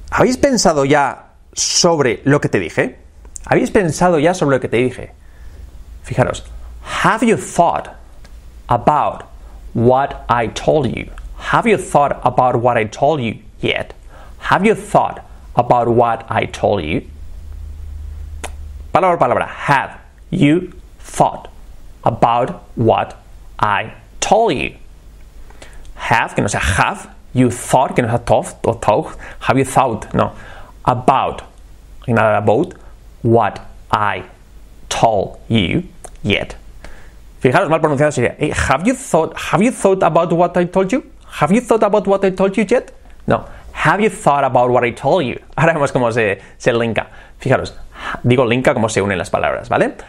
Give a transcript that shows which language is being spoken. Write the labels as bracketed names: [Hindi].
[Spanish] ¿Habéis pensado ya sobre lo que te dije? ¿Habéis pensado ya sobre lo que te dije? Fijaros. [English] Have you thought about what I told you? Have you thought about what I told you yet? Have you thought about what I told you? [Spanish] Palabra por palabra. [English] Have you thought about what I told you? Have, [Spanish] que no sea [English] have. You thought, que no sea thought o thought. Have you thought, no. About, not about what I told you yet. [Spanish] Fijaros, mal pronunciado sería, [English] hey, have you thought about what I told you? Have you thought about what I told you yet? No. Have you thought about what I told you? [Spanish] Ahora vemos cómo se linka. Fijaros, digo linka como se unen las palabras, ¿vale?